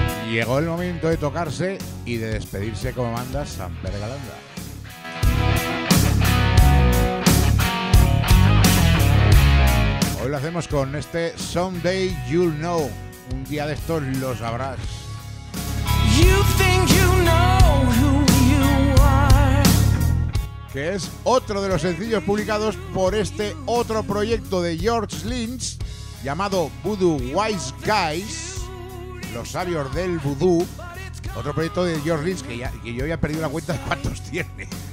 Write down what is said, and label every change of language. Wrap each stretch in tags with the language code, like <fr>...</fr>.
<es>Llegó el momento de tocarse y de despedirse como manda San Pere Galanda. Hoy lo hacemos con este Someday You'll Know. Un día de estos lo sabrás.</es> <en>You think you know who you are.</en> <es>Que es otro de los sencillos publicados por este otro proyecto de George Lynch llamado Voodoo Wise Guys. Los sabios del vudú. Otro proyecto de George Lynch que yo ya he perdido la cuenta de cuántos tiene.</es>